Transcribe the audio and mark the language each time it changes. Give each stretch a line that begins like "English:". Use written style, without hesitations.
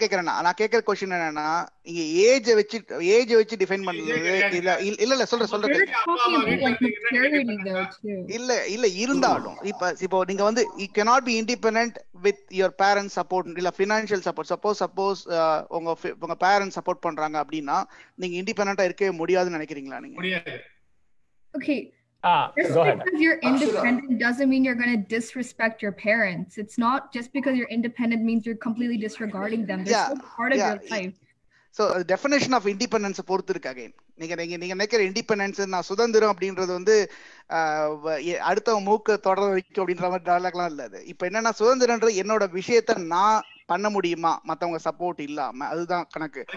Tamil: கேக்குறேன், நான் கேக்குற question என்னன்னா, இங்க ஏஜ் வச்சு டிஃபைன் பண்ணது இல்ல சொல்றேன் இல்ல இருந்தாலும் இப்போ நீங்க வந்து
English: you cannot be independent with your parents support
Tamil: இல்ல financial support. suppose உங்க parents support பண்றாங்க அப்படினா நீங்க இன்டிபெண்டன்டா இருக்கவே முடியாதுன்னு நினைக்கிறீங்களா? நீங்க முடியாது.
English: Okay. Just go because ahead. You're independent doesn't mean you're going to disrespect your parents. It's not just because you're independent means you're completely disregarding them. They're still part of your life. So the definition of independence
Tamil: பொறுத்து இருக்கு. Again நீங்க நினைக்கிற independence நான் சுதந்திரம் அப்படின்றது வந்து அடுத்த மூக்க தொடர வைக்கும் அப்படின்ற மாதிரி டயலாக் எல்லாம் இல்லாது. இப்ப என்னன்னா, சுதந்திரன்ற என்னோட விஷயத்த நான் பண்ண முடியுமா மத்தவங்க சப்போர்ட் இல்லாம, அதுதான் கணக்கு.